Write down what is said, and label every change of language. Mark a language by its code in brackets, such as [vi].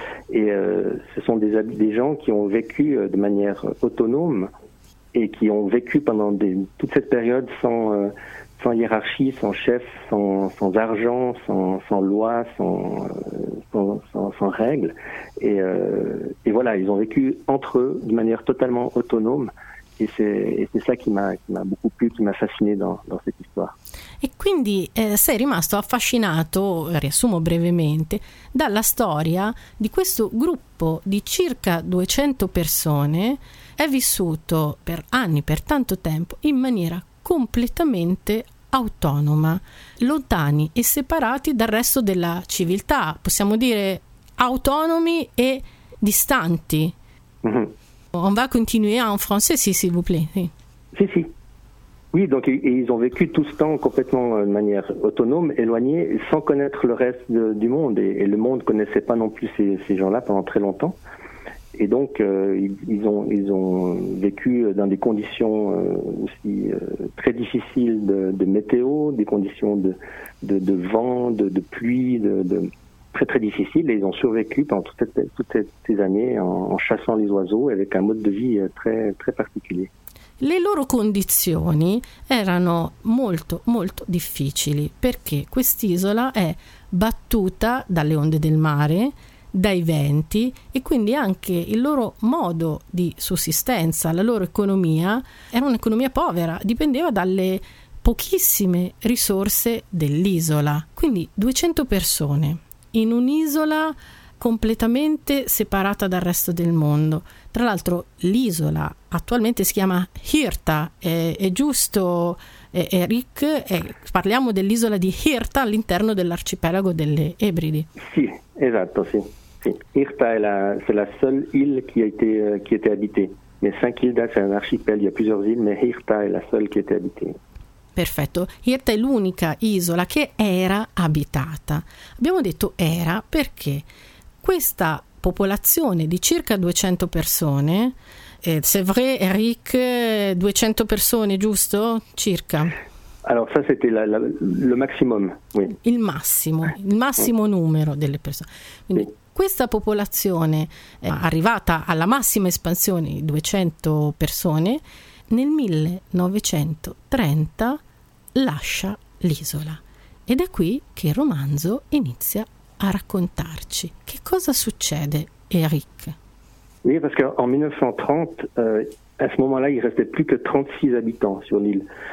[fr] Et ce sont des gens qui ont vécu de manière autonome, et qui ont vécu pendant toute cette période sans hiérarchie, sans chef, sans argent, sans loi, sans règles. Et voilà, ils ont vécu entre eux de manière totalement autonome. Et c'est ça qui m'a beaucoup plu, qui m'a fasciné dans cette histoire. [it] E quindi sei rimasto affascinato, riassumo brevemente, dalla storia di questo gruppo di circa 200 persone. È vissuto per anni, per tanto tempo, in maniera completamente autonoma, lontani e separati dal resto della civiltà, possiamo dire autonomi e distanti. Mm-hmm. [fr] On va continuer en français, si, s'il vous plaît. [it] Sì, sì. Sì. [fr] Oui, donc ils ont vécu tout ce temps complètement de manière autonome, éloignée, sans connaître le reste du monde. Et le monde ne connaissait pas non plus ces gens-là pendant très longtemps. Et donc, ils ont vécu dans des conditions aussi très difficiles de météo, des conditions de vent, de pluie, de très très difficiles. Et ils ont survécu pendant toutes ces années en chassant les oiseaux avec un mode de vie très très particulier. [it] Le loro condizioni erano molto molto difficili perché quest'isola è battuta dalle onde del mare, dai venti, e quindi anche il loro modo di sussistenza, la loro economia, era un'economia povera, dipendeva dalle pochissime risorse dell'isola. Quindi 200 persone in un'isola completamente separata dal resto del mondo. Tra l'altro l'isola attualmente si chiama Hirta, è giusto, Eric? Parliamo dell'isola di Hirta all'interno dell'arcipelago delle Ebridi. Sì, esatto, sì. [fr] Hirta è la seule île qui était habitée. Mais Saint-Kilda, c'est un archipel, il y a plusieurs îles, mais Hirta è la seule qui était habitée. [it] Perfetto. Hirta è l'unica isola che era abitata. Abbiamo detto era perché questa popolazione di circa 200 persone, [fr] c'est vrai, [it] Eric, 200 persone, giusto? Circa. [fr] Allora, ça c'était le maximum, oui. [it] Il massimo numero delle persone. Quindi, sì. Questa popolazione è arrivata alla massima espansione di 200 persone nel 1930, lascia l'isola. Ed è qui che il romanzo inizia a raccontarci. Che cosa succede, Eric? [fr] Oui, parce qu'en 1930, à ce moment-là, il restait plus que 36 habitants sur l'île.